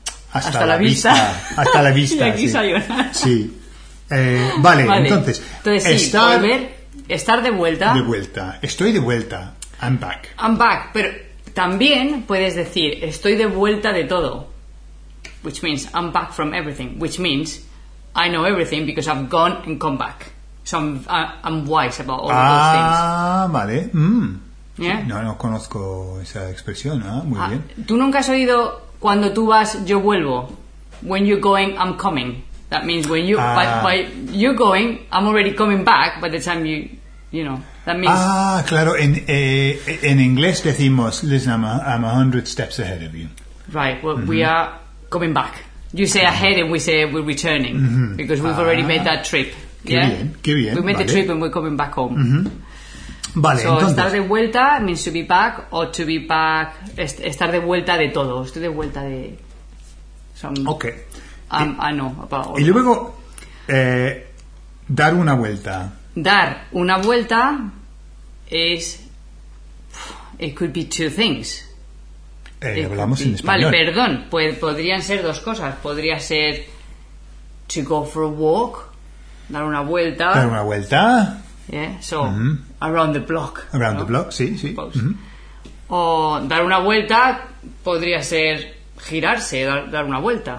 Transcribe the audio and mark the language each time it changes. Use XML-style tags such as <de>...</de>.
<es>Hasta la vista. Hasta la vista, y aquí sí.</es> <ja>Sayonara.</ja> <es>Sí. Vale, entonces... Entonces, sí, estar, volver, estar de vuelta... De vuelta. Estoy de vuelta.</es> <en>I'm back. I'm back,</en> <es>pero... También puedes decir, estoy de vuelta de todo.</es> <en>Which means, I'm back from everything. Which means, I know everything because I've gone and come back. So I'm wise about all of those things.</en> <es>Ah, vale. Mm.</es> <en>Yeah?</en> <es>No conozco esa expresión. ¿Eh? Muy bien. ¿Tú nunca has oído, cuando tú vas, yo vuelvo?</es> <en>When you're going, I'm coming. That means, when you by you're going, I'm already coming back by the time you know.</en> <es>Ah, claro, en inglés decimos,</es> <en>listen, I'm 100 steps ahead of you. Right, well, mm-hmm. We are coming back. You say ahead and we say we're returning, mm-hmm. because we've already made that trip.</en> <es>Qué bien.</es> <en>We made the trip and we're coming back home.</en> <es>Mm-hmm. Vale,</es> <en>so,</en> <es>entonces... estar de vuelta</es> <en>means to be back,</en> <es>or to be back, estar de vuelta de todo, estoy de vuelta de...</es> <en>I know about all.</en> <es>Y luego, dar una vuelta... Dar una vuelta</es> <en>is, it could be two things.</en> <es>Hablamos en español. Vale, perdón, pues podrían ser dos cosas. Podría ser</es> <en>to go for a walk,</en> <es>dar una vuelta. Dar una vuelta.</es> <en>Yeah, so, mm-hmm. around the block. Around,</en> <es>¿no?</es> <en>the block,</en> <es>sí, sí. Mm-hmm. O dar una vuelta podría ser girarse, dar una vuelta.</es>